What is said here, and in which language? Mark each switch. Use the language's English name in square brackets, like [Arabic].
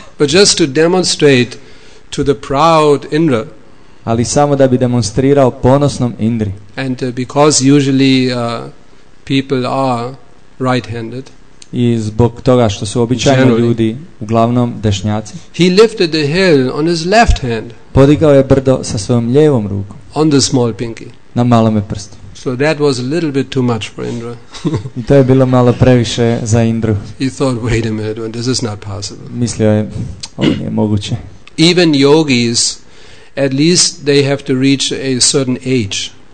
[English] But just to demonstrate to the proud Indra. [Croatian] Ali samo da bi demonstrirao ponosnom Indri. [English] And because usually people are right-handed. [Croatian] I zbog toga što su običajno ljudi uglavnom dešnjaci. [English] He lifted the hill on his left hand. [Croatian] Podigao je brdo sa svojom lijevom rukom. [English] On the small pinky. [Croatian] Na malome prstu. [English] So that was a little bit too much for Indra. [Croatian] I to je bilo malo previše za Indru. [English] He thought, wait a minute, this is not possible. [Croatian] Mislio je, ovo nije moguće. [English] Even yogis, at least they have to reach a certain age.